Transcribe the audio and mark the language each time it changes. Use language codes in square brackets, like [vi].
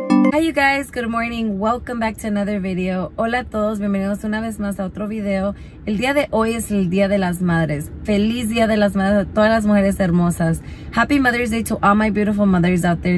[en] Hi you guys, good morning, welcome back to another video. [es] Hola a todos, bienvenidos una vez más a otro video. El día de hoy es el Día de las Madres. Feliz Día de las Madres a todas las mujeres hermosas. [en] Happy Mother's Day to all my beautiful mothers out there.